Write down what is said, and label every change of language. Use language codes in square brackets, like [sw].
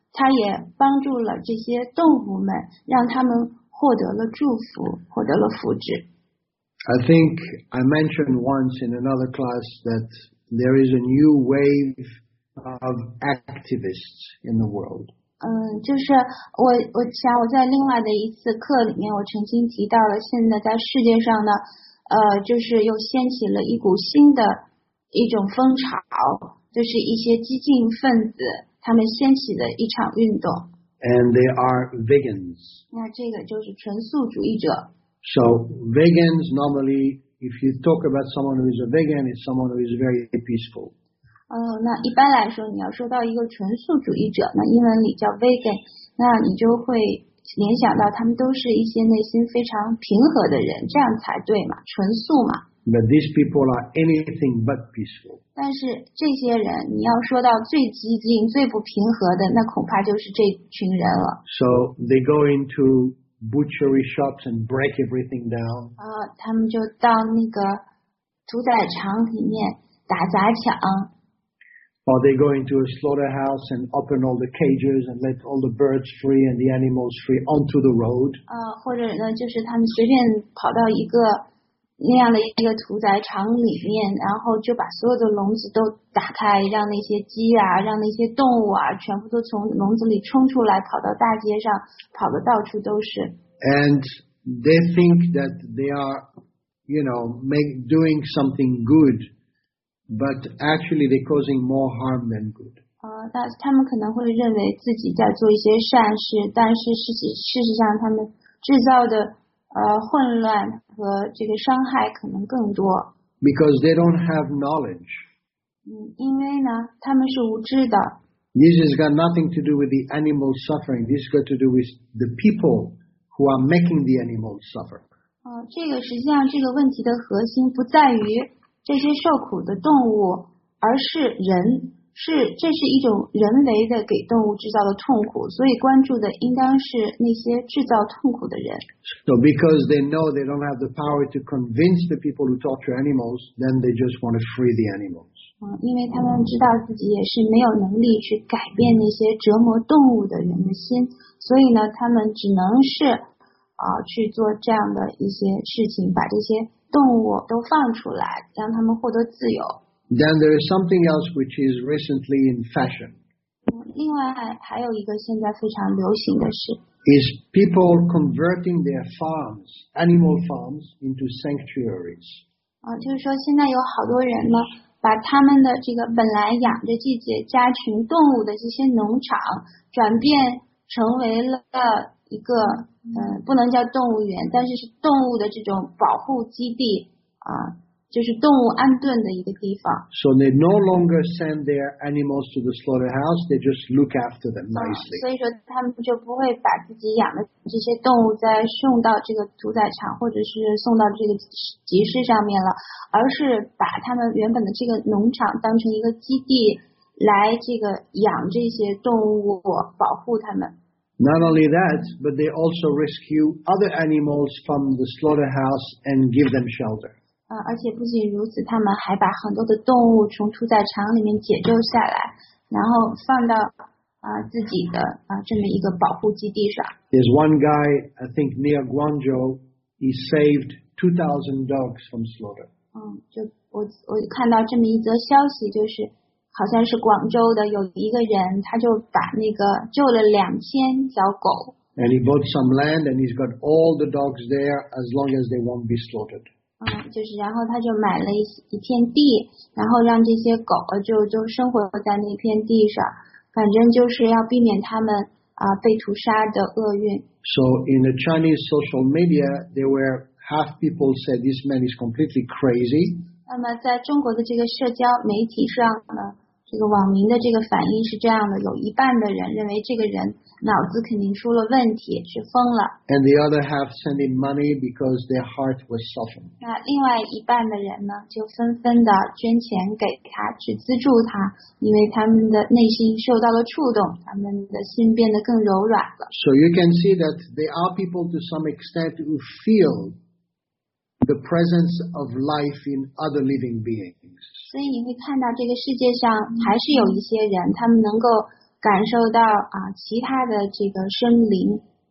[zh] 他也帮助了这些动物们，让他们获得了祝福，获得了福祉。 [en] I think I mentioned once in another class that there is a new wave of activists in the world. [zh] 就是我想我在另外的一次课里面，我曾经提到了，现在在世界上呢，就是又掀起了一股新的一种风潮，就是一些激进分子。他们掀起的一场运动。 [en] And they are vegans. [zh] 那这个就是纯素主义者。 [en] So vegans normally, if you talk about someone who is a vegan, it's someone who is very peaceful. [zh] 那一般来说，你要说到一个纯素主义者，那英文里叫 vegan， 那你就会联想到他们都是一些内心非常平和的人，这样才对嘛，纯素嘛。 [en] But these people are anything but peaceful. [zh] 但是这些人，你要说到最激进、最不平和的，那恐怕就是这群人了。 [en] So they go into butchery shops and break everything down. [zh] 他们就到那个屠宰场里面打砸抢。 [en] Or they go into a slaughterhouse and open all the cages and let all the birds free and the animals free onto the road. [zh] 或者呢，就是他们随便跑到一个。那样的一个屠宰场里面，然后就把所有的笼子都打开，让那些鸡啊，让那些动物啊，全部都从笼子里冲出来，跑到大街上，跑得到处都是。 [en] And they think that they are, you know, doing something good, but actually they're causing more harm than good. [zh] 那他们可能会认为自己在做一些善事，但是事实上他们制造的。混乱和这个伤害可能更多。 [en] Because they don't have knowledge. [zh] 因为呢，他们是无知的。 [en] This has got nothing to do with the animals suffering. This has got to do with the people who are making the animals suffer. [zh] 这个实际上这个问题的核心不在于这些受苦的动物，而是人，是这是一种人为的给动物制造的痛苦，所以关注的应当是那些制造痛苦的人。 [en] So because they know they don't have the power to convince the people who torture animals, then they just want to free the animals. [zh] 因为他们知道自己也是没有能力去改变那些折磨动物的人的心，所以呢，他们只能是去做这样的一些事情，把这些动物都放出来，让他们获得自由。 [en] Then there is something else which is recently in fashion. [zh] 另外还有一个现在非常流行的事 [en] is people converting their farms, animal farms, into sanctuaries. [zh] 就是说现在有好多人呢，把他们的这个本来养着这些家禽动物的这些农场，转变成为了一个不能叫动物园，但是是动物的这种保护基地就是动物安顿的一个地方。 [en] So they no longer send their animals to the slaughterhouse. They just look after them nicely. [zh] 所以说他们就不会把自己养的这些动物再送到这个屠宰场，或者是送到这个集市上面了，而是把他们原本的这个农场当成一个基地，来这个养这些动物，保护它们。 [en] Not only that, but they also rescue other animals from the slaughterhouse and give them shelter. [zh] 而且不仅如此，他们还把很多的动物从屠宰场里面解救下来，然后放到自己的这么一个保护基地上。 [en] There's one guy, I think near Guangzhou, he saved 2,000 dogs from slaughter. [zh] 就我看到这么一则消息，就是。好像是广州的有一个人，他就把那个救了2000条狗。 [en] And he bought some land, and he's got all the dogs there as long as they won't be slaughtered. [zh] 就是然后他就买了一片地，然后让这些狗就生活在那片地上，反正就是要避免他们被屠杀的厄运。 [en] So in the Chinese social media, there were half people said this man is completely crazy. [zh] 那么在中国的这个社交媒体上呢，这个网民的这个反应是这样的，有一半的人认为这个人脑子肯定出了问题，是疯了。 [en] And the other half sent him money because their heart was softened. [zh] 那另外一半的人呢，就纷纷的捐钱给他，去资助他，因为他们的内心受到了触动，他们的心变得更柔软了。 [en] So you can see that there are people to some extent who feel. The presence of life in other living beings. [zh] 所以你会看到这个世界上还是有一些人，他们能够感受到其他的这个生灵。